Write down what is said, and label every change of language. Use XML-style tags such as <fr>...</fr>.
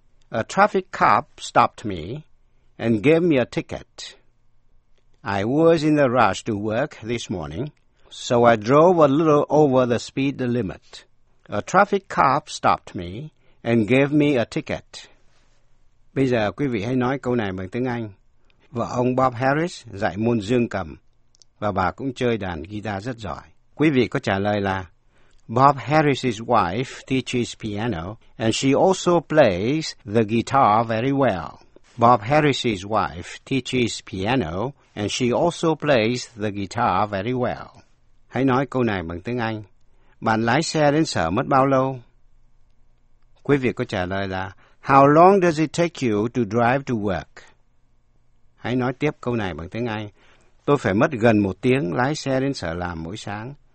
<en>A traffic cop stopped me and gave me a ticket. I was in a rush to work this morning, so I drove a little over the speed limit. A traffic cop stopped me and gave me a ticket.</en> <vi>Bây giờ quý vị hãy nói câu này bằng tiếng Anh. Vợ ông Bob Harris dạy môn dương cầm và bà cũng chơi đàn guitar rất giỏi. Quý vị có trả lời là</vi> <en>Bob Harris's wife teaches piano and she also plays the guitar very well. Bob Harris's wife teaches piano and she also plays the guitar very well.</en> <vi>Hãy nói câu này bằng tiếng Anh. Bạn lái xe đến sở mất bao lâu? Quý vị có trả lời là</vi> <en>How long does it take you to drive to work?</en> <vi>Hãy nói tiếp câu này bằng tiếng Anh. Tôi phải mất gần một tiếng lái xe đến sở làm mỗi sáng.</vi>